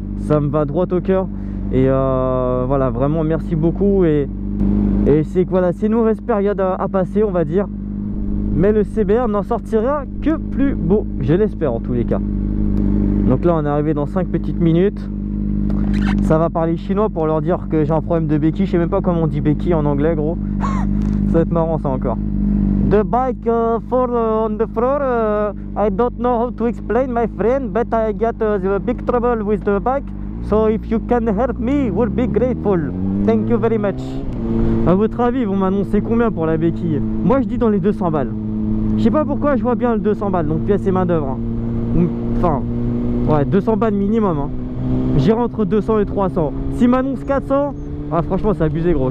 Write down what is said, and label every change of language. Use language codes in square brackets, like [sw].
[fr] Ça me va droit au cœur. Et voilà, vraiment merci beaucoup et c'est une mauvaise période à passer on va dire. mais le CBR n'en sortira que plus beau, je l'espère en tous les cas. Donc là on est arrivé dans 5 petites minutes. Ça va parler chinois pour leur dire que j'ai un problème de béquille. Je sais même pas comment on dit béquille en anglais, gros. Ça va être marrant ça encore. [en] The bike fall on the floor. I don't know how to explain my friend, but I got a big trouble with the bike. So if you can help me, we'll be grateful. Thank you very much. [fr] À votre avis, ils vont m'annoncer combien pour la béquille? Moi je dis dans les 200 balles. Je sais pas pourquoi je vois bien le 200 balles, donc pièce et main d'œuvre. Enfin, ouais, 200 balles minimum. Hein. J'irai entre 200 et 300. S'ils m'annoncent 400, ah, franchement c'est abusé gros.